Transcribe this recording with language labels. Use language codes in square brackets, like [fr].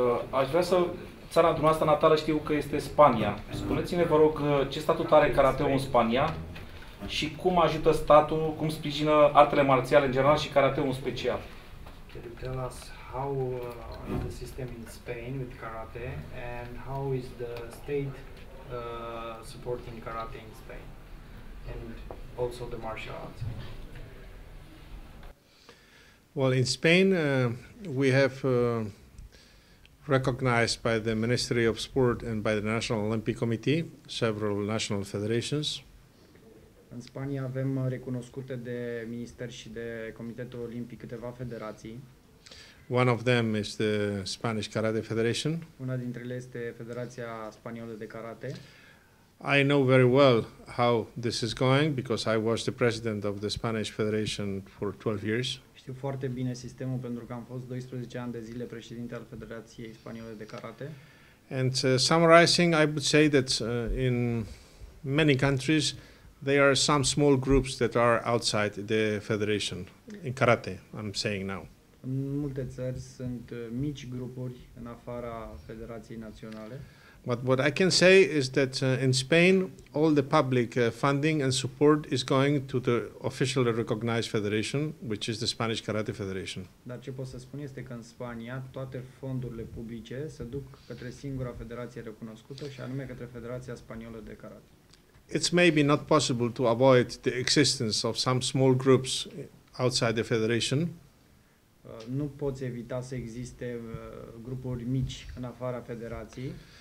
[ro] Aș vrea să... Țara dumneavoastră natală știu că este Spania. Spuneți-ne, vă rog, ce statut are karateul în Spania și cum ajută statul, cum sprijină artele marțiale în general și karateul în special? [en] Can you tell us how the system in Spain with karate and how is the state supporting karate in Spain and also the martial arts? Well, in Spain we have recognized by the Ministry of Sport and by the National Olympic Committee several national federations. [ro] În Spania avem recunoscute de minister și de comitetul olimpic câteva federații. [en] One of them is the Spanish Karate Federation. [ro] Una dintre ele este Federația Spaniolă de Karate. [en] I know very well how this is going because I was the president of the Spanish Federation for 12 years. [ro] Știu foarte bine sistemul pentru că am fost 12 ani de zile președinte al Federației Spaniole de Karate. [en] And summarizing, I would say that in many countries there are some small groups that are outside the federation in karate, I'm saying now. [ro] În multe țări sunt mici grupuri în afara federației naționale. [en] But what I can say is that in Spain all the public funding and support is going to the officially recognized federation, which is the Spanish Karate Federation. [ro] Dar ce pot să spun este că în Spania toate fondurile publice se duc către singura federație recunoscută și anume către Federația Spaniolă de Karate. [en] It's maybe not possible to avoid the existence of some small groups outside the federation. [ro] Nu poți evita să existe grupuri mici în afara federației.